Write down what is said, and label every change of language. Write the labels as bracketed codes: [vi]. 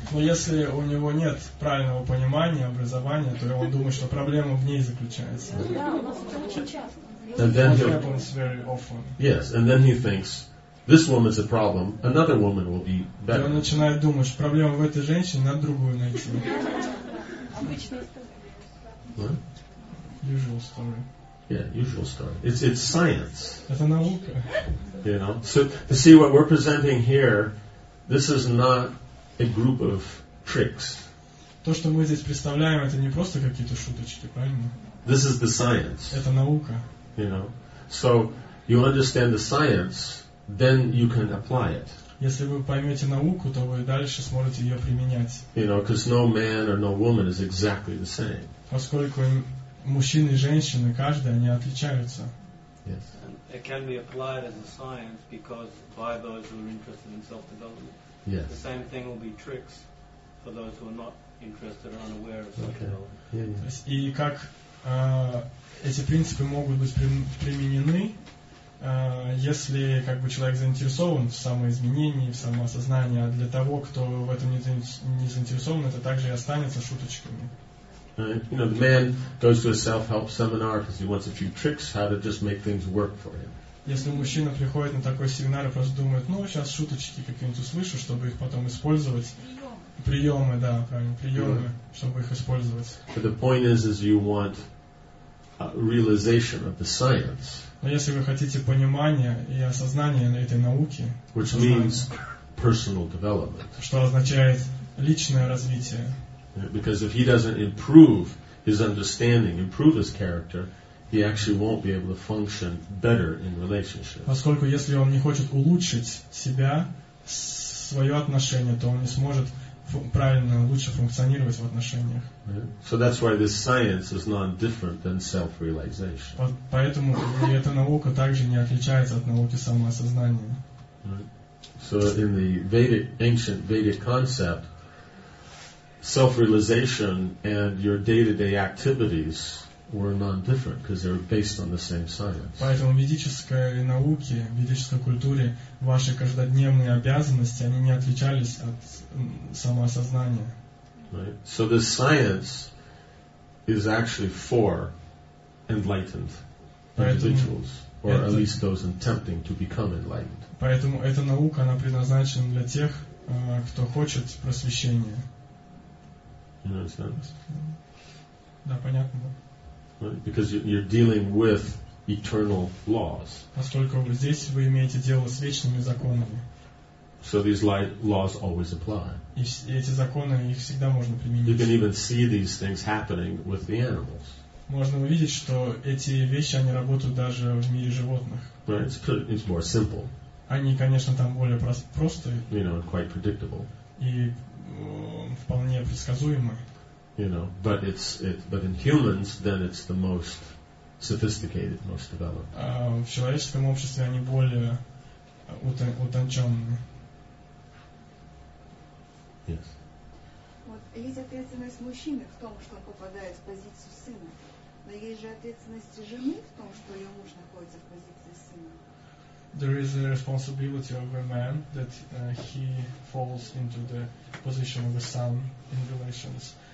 [ru] Но если у него нет правильного понимания, образования, то он думает, что проблема в ней заключается. [en] And then he happens very often. Yes, and then he thinks this woman's a problem. Another woman will be better. [ru] Он начинает думать, что проблема в этой женщине, надо другую найти. Обычная история. [en] What? Usual story. Yeah, usual story. It's science. [ru] Это наука. [en] You know, so to see what we're presenting here, this is not a group of tricks. [ru] То, что мы здесь представляем, это не просто какие-то шуточки, правильно? [en] This is the science. [ru] Это наука. [en] You know, so you understand the science. Then you can apply it. [ru] Если вы поймете науку, то вы дальше сможете ее применять. [en] You know, because no man or no woman is exactly the same. [ru] Поскольку мужчины и женщины каждый они отличаются. [en] Yes. It can be applied as a science because by those who are interested in self-development. Yes. The same thing will be tricks for those who are not interested or unaware of self-development. Okay. Yeah, yeah. [ru] То есть, и как эти принципы могут быть применены? Если как бы человек заинтересован в самоизменении, в самоосознании, а для того, кто в этом не заинтересован, это также и останется шуточками. [en] You know, the man goes to a self-help seminar because he wants a few tricks how to just make things work for him. [ru] Если мужчина приходит на такой семинар и просто думает, ну сейчас шуточки какие-нибудь услышу, чтобы их потом использовать. Приемы, да, правильно, приемы, mm-hmm. чтобы их использовать. [en] But the point is you want a realization of the science. [ru] Но если вы хотите понимания и осознания этой науки, [en] which means personal development. [ru] Что означает личное развитие. [en] Because if he doesn't improve his understanding, improve his character, he actually won't be able to function better in relationships. [ru] Поскольку если он не хочет улучшить себя, свое отношение, то он не сможет правильно, лучше функционировать в отношениях. [en] So that's why this science is not different than self-realization. [ru] Поэтому эта наука также не отличается от науки самоосознания. [en] So in the Vedic, ancient Vedic concept, self-realization and your day-to-day activities were non-different because they were based on the same science. [ru] Поэтому в ведической науке, в ведической культуре ваши каждодневные обязанности они не отличались от самоосознания. [en] Right. So this science is actually for enlightened individuals, or at least those attempting to become enlightened. [ru] Поэтому эта наука она предназначена для тех, кто хочет просвещения. [en] You understand? [ru] Да, понятно. [en] Right? Because you're dealing with eternal laws. [ru] Поскольку здесь вы имеете дело с вечными законами. [en] So these laws always apply. [ru] И эти законы их всегда можно применить. [en] You can even see these things happening with the animals. [ru] Можно увидеть, что эти вещи они работают даже в мире животных. [en] Right? It's more simple. [ru] Они, конечно, там более просты. [en] You know, quite predictable. [ru] И вполне предсказуемы. [en] You know, but but in humans, then it's the most sophisticated, most developed. [ru] В человеческом обществе они более утонченные. [en] Yes. [ru] Вот есть ответственность мужчины в том, что он попадает в позицию сына, но есть же ответственность жены в том, что ее муж находится в позиции сына. [en] There is a responsibility of a man that he falls into the position of a son in relations.